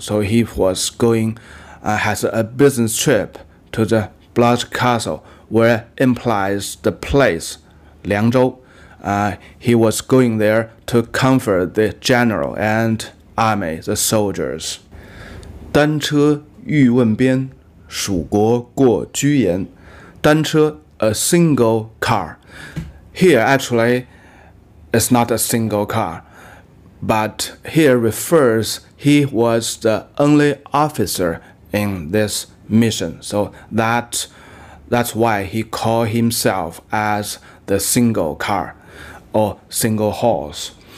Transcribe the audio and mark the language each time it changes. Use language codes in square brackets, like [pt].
[en] So he was going, has a business trip to the blockish castle, where implies the place, 凉州. He was going there to comfort the general and army, the soldiers. [zh] 单车 欲问边，属国过居延。 [en] 单车 a single car. Here actually it's not a single car, but here refers he was the only officer in this mission. So that's why he called himself as the single car or single horse.